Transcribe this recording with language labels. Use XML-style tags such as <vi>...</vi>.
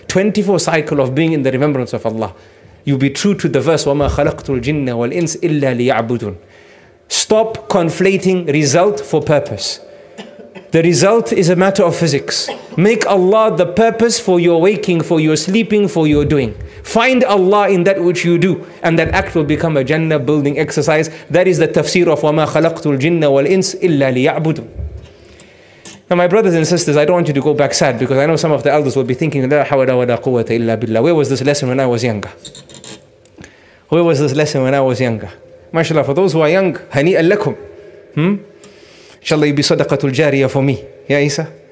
<en>24 cycle of being in the remembrance of Allah. You'll be true to the verse,</en> <ar>وَمَا خَلَقْتُ الْجِنَّ وَالْإِنسِ إِلَّا لِيَعْبُدُونَ.</ar> <en>Stop conflating result for purpose. The result is a matter of physics. Make Allah the purpose for your waking, for your sleeping, for your doing. Find Allah in that which you do, and that act will become a Jannah building exercise. That is the tafsir of</en> <ar>وَمَا خَلَقْتُ الْجِنَّ وَالْإِنسِ إِلَّا لِيَعْبُدُ.</ar> <en>Now my brothers and sisters, I don't want you to go back sad, because I know some of the elders will be thinking,</en> <ar>لَا حَوَلَ وَلَا قُوَّةَ إِلَّا بِاللَّهِ.</ar> <en>Where was this lesson when I was younger? Where was this lesson when I was younger? MashaAllah, for those who are young,</en> <ar>هَنِيئًا لَكُمْ.</ar> <en>Inshallah, you be صَدَقَةُ jariya for me. Ya Isa?</en>